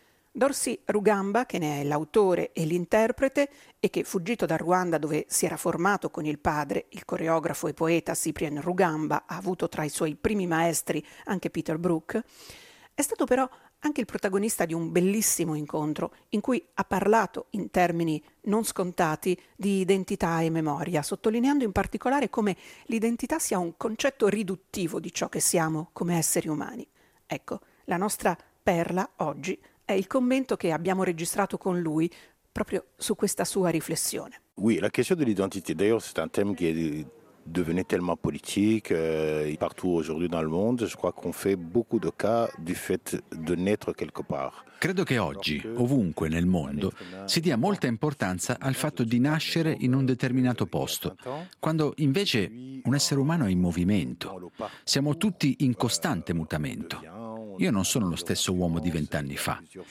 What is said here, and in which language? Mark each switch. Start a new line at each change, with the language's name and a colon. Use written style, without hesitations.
Italian: Dorsey Rugamba, che ne è l'autore e l'interprete, e che, fuggito da Ruanda dove si era formato con il padre, il coreografo e poeta Cyprien Rugamba, ha avuto tra i suoi primi maestri anche Peter Brook, è stato però anche il protagonista di un bellissimo incontro in cui ha parlato in termini non scontati di identità e memoria, sottolineando in particolare come l'identità sia un concetto riduttivo di ciò che siamo come esseri umani. Ecco, la nostra perla oggi è il commento che abbiamo registrato con lui proprio su questa sua riflessione.
French: Oui, la question de l'identité, d'ailleurs, c'est un thème qui est devenu tellement politique partout aujourd'hui dans le monde, je crois qu'on fait beaucoup de cas du fait de naître quelque part.
Italian: Credo che oggi, ovunque nel mondo, si dia molta importanza al fatto di nascere in un determinato posto, quando invece un essere umano è in movimento. Siamo tutti in costante mutamento. Io non sono lo stesso uomo di 20 anni fa.